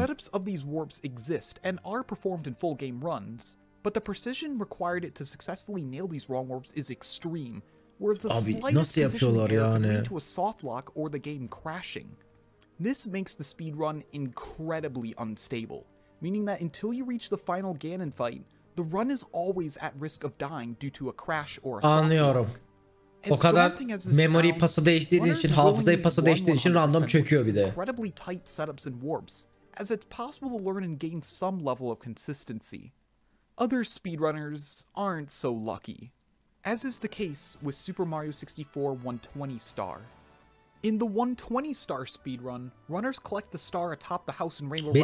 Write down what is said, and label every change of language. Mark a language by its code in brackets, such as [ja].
[en] Setups of these warps exist and are performed in full game runs, but the precision required to successfully nail these wrong warps is extreme, where the slightest position error can lead to a soft lock or the game crashing. This makes the speedrun incredibly unstable, meaning that until you reach the final Ganon fight, the run is always at risk of dying due to a crash or a soft lock. [tr] Anlıyorum. O kadar memory pası değiştirdiğin için, hafızayı pası değiştirdiğin için random çöküyor bir de. [en] Incredibly tight setups and warps, as it's possible to learn and gain some level of consistency. Other speedrunners aren't so lucky, as is the case with Super Mario 64 120 Star. In the 120 star speedrun, runners collect the star atop the house in Rainbow